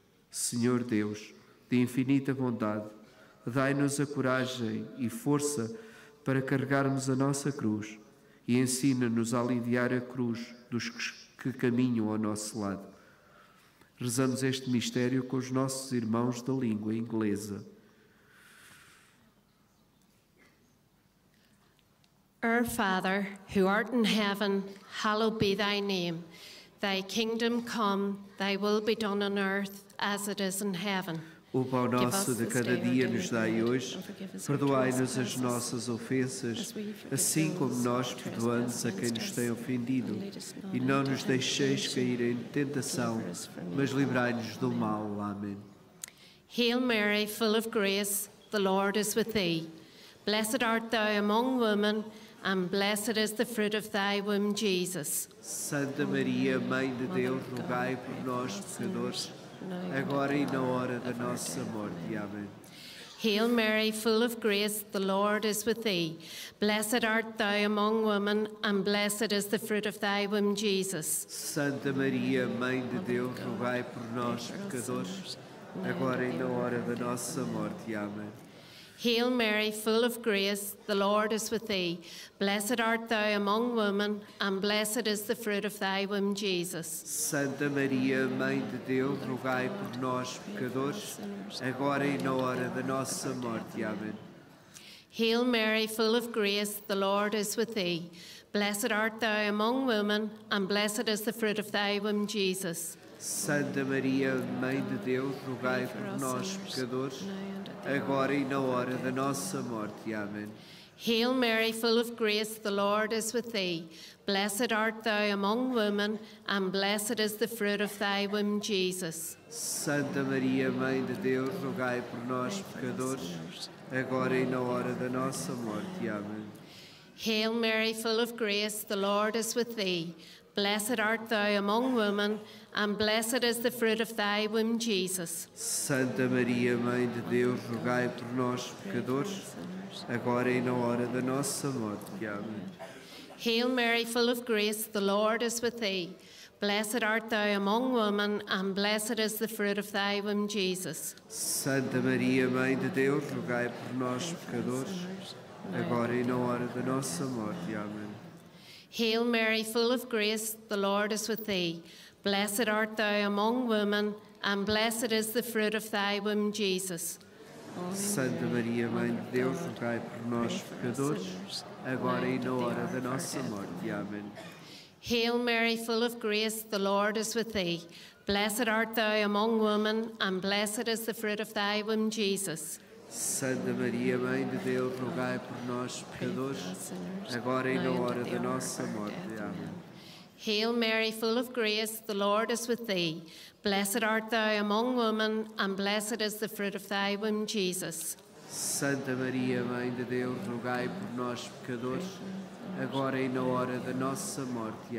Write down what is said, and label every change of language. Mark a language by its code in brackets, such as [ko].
[pt] Senhor Deus, de infinita bondade, dai-nos a coragem e força para carregarmos a nossa cruz e ensina-nos a aliviar a cruz dos que caminham ao nosso lado. Rezamos este mistério com os nossos irmãos da língua inglesa. [en] Our Father, who art in heaven, hallowed be thy name. Thy kingdom come, thy will be done on earth as it is in heaven. [pt] O pão nosso de cada dia nos dai hoje, perdoai-nos as nossas ofensas, assim como nós perdoamos a quem nos tem ofendido. E não nos deixeis cair em tentação, mas livrai-nos do mal. Amém. [en] Hail Mary, full of grace, the Lord is with thee. Blessed art thou among women, and blessed is the fruit of thy womb, Jesus. [pt] Santa Maria, Mãe de Deus, rogai por nós, pecadores, agora e na hora da nossa morte. Amém. [en] Hail Mary, full of grace, the Lord is with thee. Blessed art thou among women, and blessed is the fruit of thy womb, Jesus. [pt] Santa Maria, Mãe de Deus, rogai por nós, pecadores, agora e na hora da nossa morte. Amém. [en] Hail Mary, full of grace, the Lord is with thee. Blessed art thou among women, and blessed is the fruit of thy womb, Jesus. [pt] Santa Maria, Mãe de Deus, rogai por nós, pecadores, agora e na hora da nossa morte. Amém. [en] Hail Mary, full of grace, the Lord is with thee. Blessed art thou among women, and blessed is the fruit of thy womb, Jesus. [pt] Santa Maria, Mãe de Deus, rogai por nós, pecadores, agora e na hora da nossa morte. Amém. [en] Hail Mary, full of grace, the Lord is with thee. Blessed art thou among women, and blessed is the fruit of thy womb, Jesus. [pt] Santa Maria, Mãe de Deus, rogai por nós, pecadores, agora e na hora da nossa morte. Amém. [en] Hail Mary, full of grace, the Lord is with thee. Blessed art thou among women, and blessed is the fruit of thy womb, Jesus. [pt] Santa Maria, Mãe de Deus, rogai por nós, pecadores, agora e na hora da nossa morte. Amém. [en] Hail Mary, full of grace, the Lord is with thee. Blessed art thou among women, and blessed is the fruit of thy womb, Jesus. [pt] Santa Maria, Mãe de Deus, rogai por nós, pecadores, agora e na hora da nossa morte. Amém. [en] Hail Mary, full of grace, the Lord is with thee. Blessed art thou among women, and blessed is the fruit of thy womb, Jesus. [pt] Santa Maria, Mãe de Deus, rogai por nós, pecadores, agora e na hora da nossa morte. Amém. [en] Hail Mary, full of grace, the Lord is with thee. Blessed art thou among women, and blessed is the fruit of thy womb, Jesus. [pt] Santa Maria, Mãe de Deus, rogai por nós, pecadores, agora e na hora da nossa morte. Amém. [en] Hail Mary, full of grace, the Lord is with thee. Blessed art thou among women, and blessed is the fruit of thy womb, Jesus. [pt] Santa Maria, Mãe de Deus, rogai por nós, pecadores, agora e na hora da nossa morte.